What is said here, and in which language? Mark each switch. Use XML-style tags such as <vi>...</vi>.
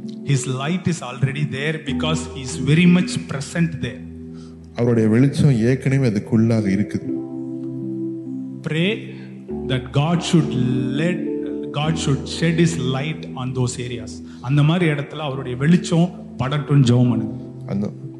<en>His light is already there because he is very much present there.</en> <ta>அவருடைய வெளிச்சம் ஏற்கனவே அதுக்குள்ளாக இருக்குது.</ta> <en>Pray that God should shed his light on those areas.</en> <ta>அந்த மாதிரி இடத்துல அவருடைய வெளிச்சம் படட்டும் ஜெபம் பண்ணுங்க.</ta>